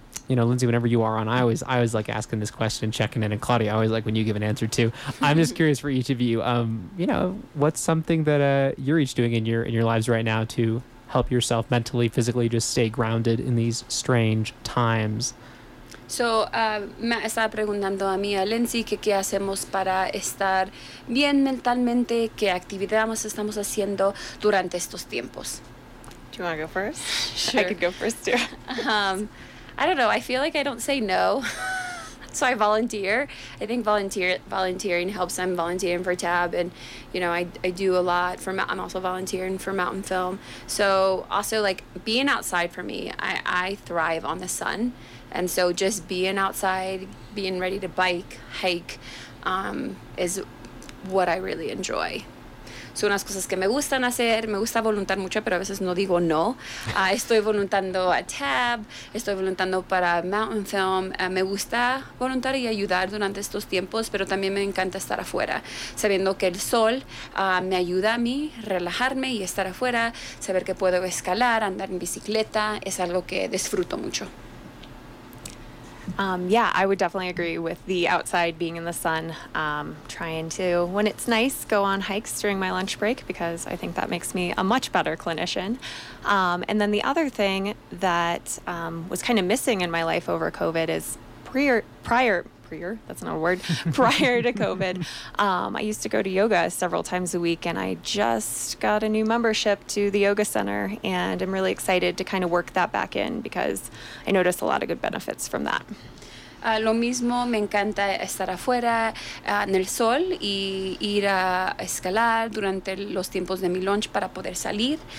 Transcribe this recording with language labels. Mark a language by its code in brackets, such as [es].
[en] You know, Lindsay, whenever you are on, I always like asking this question, checking in, and Claudia, I always like when you give an answer too. I'm just curious for each of you, you know, what's something that you're each doing in your lives right now to help yourself mentally, physically, just stay grounded in these strange times? [es] So, me estaba preguntando a mí, a Lindsay, que qué hacemos para estar bien mentalmente, qué actividades estamos haciendo durante estos tiempos. [en] Do you want to go first? Sure. I could go first too. I don't know. I feel like I don't say no. So I volunteer. I think volunteering helps. I'm volunteering for TAB. And, you know, I do a lot. I'm also volunteering for Mountain Film. So also, like, being outside for me, I thrive on the sun. And so just being outside, being ready to bike, hike, is what I really enjoy. [es] Son unas cosas que me gustan hacer. Me gusta voluntar mucho, pero a veces no digo no. Estoy voluntando a TAB. Estoy voluntando para Mountain Film. Me gusta voluntar y ayudar durante estos tiempos, pero también me encanta estar afuera, sabiendo que el sol me ayuda a mí relajarme y estar afuera, saber que puedo escalar, andar en bicicleta. Es algo que disfruto mucho. [en] Yeah, I would definitely agree with the outside, being in the sun, trying to, when it's nice, go on hikes during my lunch break, because I think that makes me a much better clinician. And then the other thing that was kind of missing in my life over COVID is prior to COVID, I used to go to yoga several times a week, and I just got a new membership to the yoga center, and I'm really excited to kind of work that back in because I noticed a lot of good benefits from that. [es] Lo mismo, me encanta estar afuera en el sol y ir a escalar durante los tiempos de mi lunch para poder salir.